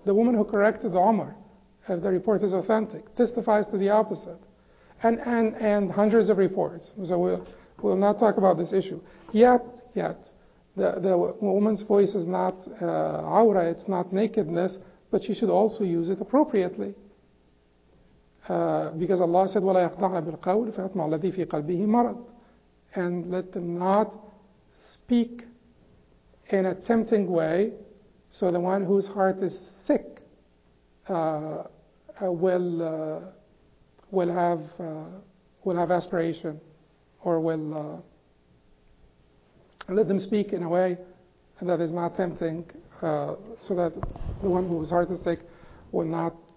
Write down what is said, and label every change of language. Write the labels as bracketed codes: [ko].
[en] The woman who corrected Umar, if the report is authentic, testifies to the opposite. And hundreds of reports. So we'll not talk about this issue. Yet, the woman's voice is not awra, it's not nakedness, but she should also use it appropriately. Because Allah said, [ar] وَلَا يَخْضَعْنَ بِالْقَوْلِ فَيَطْمَعْ الَّذِي فِي قَلْبِهِ مَرَضٍ. [en] And let them not speak in a tempting way, so the one whose heart is sick will have aspiration, or will let them speak in a way that is not tempting, so that the one whose heart is sick will not